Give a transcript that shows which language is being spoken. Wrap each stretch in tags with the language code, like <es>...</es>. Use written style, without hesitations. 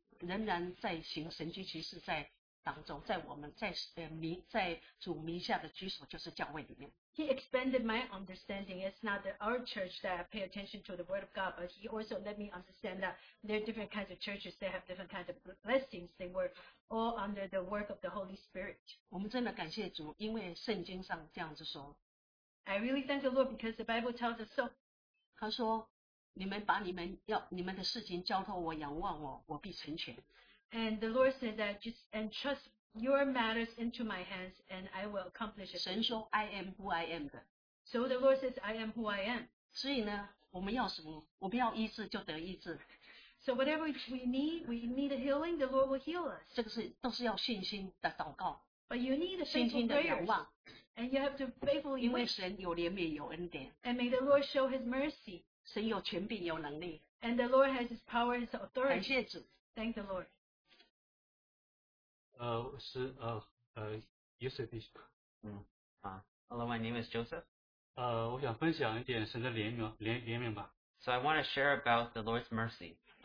<zh>扩张的一个境界，就是不但我们是好像注重神的话语，也知道神仍然在行神迹奇事在。当中，在我们在主名下的居所，就是教会里面。</zh> <en>He expanded my understanding. It's not that our church that I pay attention to the word of God, but he also let me understand that there are different kinds of churches. They have different kinds of blessings. They work all under the work of the Holy Spirit.</en> <zh>我们真的感谢主，因为圣经上这样子说。</zh> <en>I really thank the Lord because the Bible tells us so.</en> <zh>他说，你们把你们的事情交托我，仰望我，我必成全。</zh> <en>And the Lord said that just entrust your matters into my hands and I will accomplish it.</en> <zh>神说,</zh> <en>I am who I am. So the Lord says, I am who I am.</en> <zh>所以呢, 我们要什么, 我们要医治就得医治。</zh> <en>So whatever we need a healing, the Lord will heal us.</en> <zh>这个是都是要信心的祷告,</zh> <en>but you need a faithful prayer. And you have to faithfully wait.</en> <zh>因为神有怜悯有恩典,</zh> <en>and may the Lord show his mercy.</en> <zh>神有权柄有能力,</zh> <en>and the Lord has his power and his authority.</en> <zh>感谢主,</zh> <en>thank the Lord.</en> <zh>是，Joseph。</zh> <en>Hello, my name is Joseph.</en> <zh>我想分享一点神的怜悯吧。</zh> <en>So I want to share about the Lord's mercy.</en>